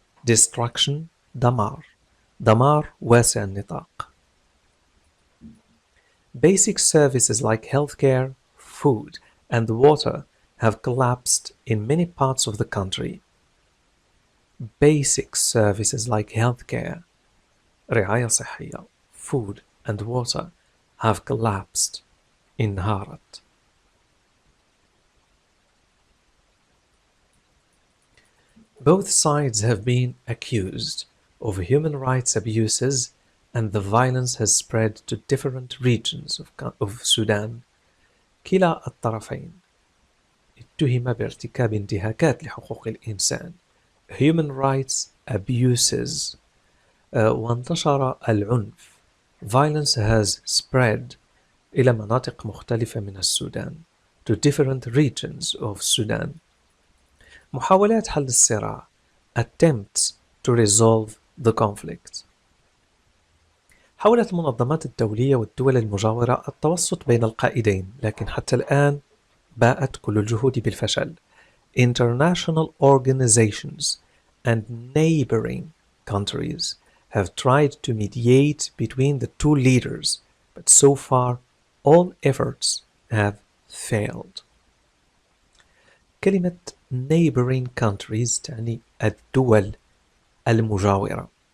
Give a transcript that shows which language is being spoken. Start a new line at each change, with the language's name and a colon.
Arabic: Destruction دمار واسع النطاق.
English: basic services like healthcare, food, and water have collapsed in many parts of the country. Basic services like healthcare,
Arabic: رعاية صحية,
English: food, and water have collapsed.
Arabic: انهارت.
English: Both sides have been accused of human rights abuses, and the violence has spread to different regions of Sudan.
Arabic: كلا الطرفين اتهم بارتكاب انتهاكات لحقوق الإنسان.
English: Human rights abuses.
Arabic: وانتشر العنف.
English: Violence has spread
Arabic: إلى مناطق مختلفة من السودان.
English: To different regions of Sudan.
Arabic: محاولات حل الصراع.
English: Attempts to resolve the conflict.
Arabic: حاولت المنظمات الدولية والدول المجاورة التوسط بين القائدين، لكن حتى الآن باءت كل الجهود بالفشل.
English: International organizations and neighboring countries have tried to mediate between the two leaders, but so far all efforts have failed.
Arabic: كلمة
English: neighboring countries
Arabic: تعني الدول المجاورة.